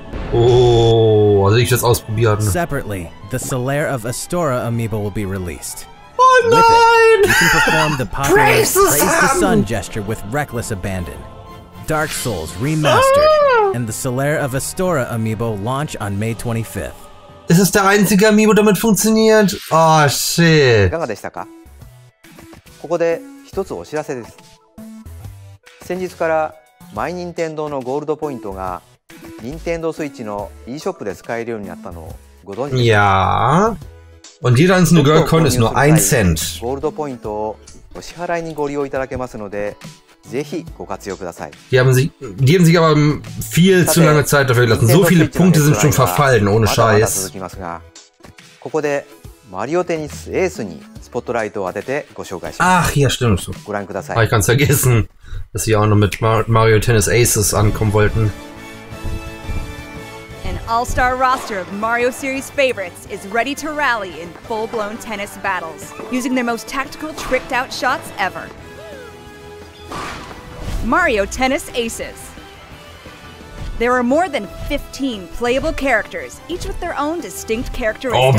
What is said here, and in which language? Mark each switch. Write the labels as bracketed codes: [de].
[de] Oh, also ich das ausprobieren. [en] Separately, the Solaire of Astora amiibo will be released. [de] Oh nein! [en] With it, you can perform the popular Praise the Sun gesture with reckless abandon. Dark Souls Remastered and the Solaire of Astora amiibo launch on May 25th. [de] Ist es der einzige Amiibo, damit funktioniert? [en] Oh, shit. [ja] いかがでしたか？ここで一つお知らせです。先日からマイニンテンドーのゴールドポイントがニンテンドースイッチの e ショップで使えるようになったのをご存知ですか？いやー。 [de] Und jeder einzelne Girl Coin ist nur 1 Cent. [ja] ゴールドポイントをお支払いにご利用いただけますので、ぜひご活用ください。 [de] Die haben sich aber viel zu lange Zeit dafür gelassen. So viele Punkte sind schon verfallen, ohne Scheiß. [ja] まだまだ続きますが、ここでマリオテニスエースにスポットライトを当ててご紹介します。 [de] Ach, ja, stimmt. [ja] ご覧ください。 [de] Habe ich ganz vergessen, dass sie auch noch mit Mario Tennis Aces ankommen wollten. [en] All-star roster of Mario series favorites is ready to rally in full-blown tennis battles, using their most tactical tricked-out shots ever. Mario Tennis Aces. There are more than 15 playable characters, each with their own distinct characteristics.